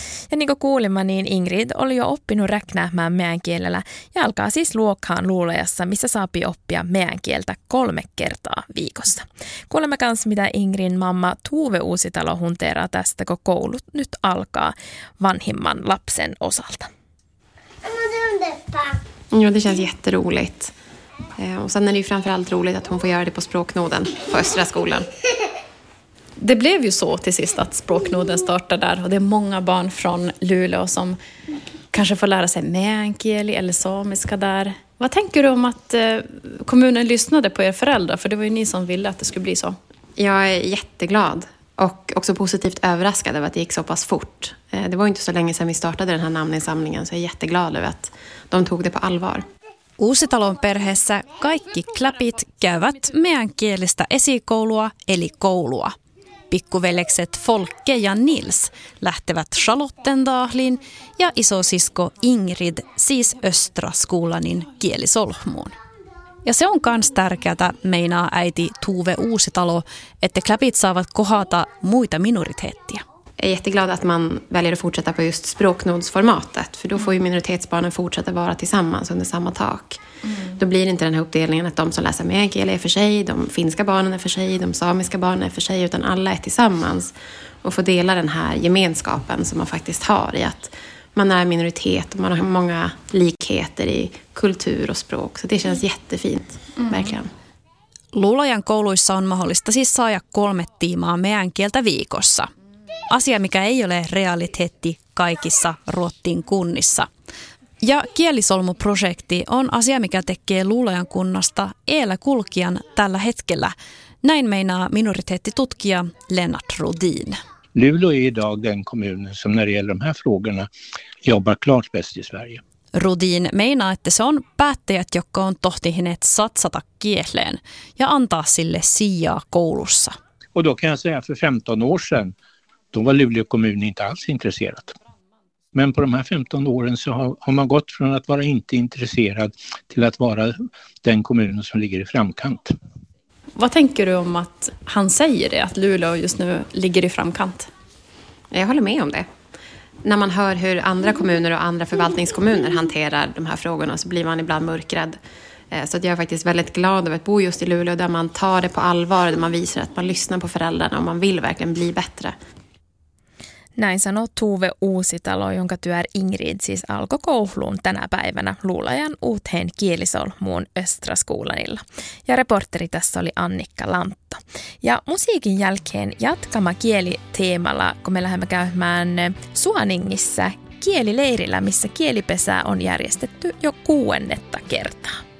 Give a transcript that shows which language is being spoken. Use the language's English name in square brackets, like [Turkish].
[Tornedalen Finnish] Ja niin kuin kuulimme, niin Ingrid oli jo oppinut räknäämään meidän kielellä ja alkaa siis luokkaan luulajassa, missä saapii oppia meidän kieltä 3 kertaa viikossa. Kuulemme kanssa, mitä Ingridin mamma Tuve Uusitalo hunteeraa tästä, kun koulut nyt alkaa vanhimman lapsen osalta. Mä tein detta. [Swedish] Joo, det känns jätteroligt. Och sen är det ju framförallt roligt att hon får göra det på språknoden på Östra skolan. Det blev ju så till sist att språknoden startade där. Och det är många barn från Luleå som kanske får lära sig meänkieli eller samiska där. Vad tänker du om att kommunen lyssnade på er föräldrar? För det var ju ni som ville att det skulle bli så. Jag är jätteglad och också positivt överraskad över att det gick så pass fort. Det var ju inte så länge sedan vi startade den här namninsamlingen, så jag är jätteglad över att de tog det på allvar. [Tornedalen Finnish] Uusitalon perheessä kaikki kläpit käyvät meänkielistä esikoulua, eli koulua. Pikkuveljekset Folke ja Nils lähtevät Charlottendaliin ja isosisko Ingrid, siis Östra skolanin kielisolhmuun. Ja se on kans tärkeätä, meinaa äiti Tuve Uusitalo, että kläpit saavat kohata muita minoriteettia. [Swedish] Jag är jätteglad att man väljer att fortsätta på just språknodsformatet. För då får ju minoritetsbarnen fortsätta vara tillsammans under samma tak. Mm. Då blir det inte den här uppdelningen att de som läser meänkieli är för sig, de finska barnen är för sig, de samiska barnen är för sig, utan alla är tillsammans och får dela den här gemenskapen som man faktiskt har i att man är minoritet och man har många likheter i kultur och språk. Så det känns jättefint, verkligen. [Tornedalen Finnish] Luulajan kouluissa on mahdollista siis saada 3 tiimaa meänkieltä viikossa. Asia, mikä ei ole realiteetti kaikissa Ruotsin kunnissa. Ja kielisolmuprojekti on asia, mikä tekee Luulajan kunnasta edelläkulkijan tällä hetkellä. Näin meinaa minoriteettitutkija Lennart Rodin. [Swedish] Luleå är idag den kommun som när det gäller de här frågorna jobbar klart bäst i Sverige. [Tornedalen Finnish] Rodin meinaa, että se on päättäjät, jotka on tohtineet satsata kieleen ja antaa sille sijaa koulussa. [Swedish] Och då kan jag säga för 15 år sedan. Då var Luleå kommun inte alls intresserad. Men på de här 15 åren så har man gått från att vara inte intresserad till att vara den kommunen som ligger i framkant. Vad tänker du om att han säger det, att Luleå just nu ligger i framkant? Jag håller med om det. När man hör hur andra kommuner och andra förvaltningskommuner hanterar de här frågorna så blir man ibland mörkrädd. Så att jag är faktiskt väldigt glad över att bo just i Luleå där man tar det på allvar, där man visar att man lyssnar på föräldrarna och man vill verkligen bli bättre. [Tornedalen Finnish] Näin sanoo Tuve Uusitalo, jonka tytär Ingrid siis alkoi kouluun tänä päivänä Luulajan uuteen kielisolmuun Östra skolanilla. Ja reporteri tässä oli Annika Lantto. Ja musiikin jälkeen jatkama kieliteemalla, kun me lähdemme käymään Suoningissa kielileirillä, missä kielipesää on järjestetty jo 6. kertaa.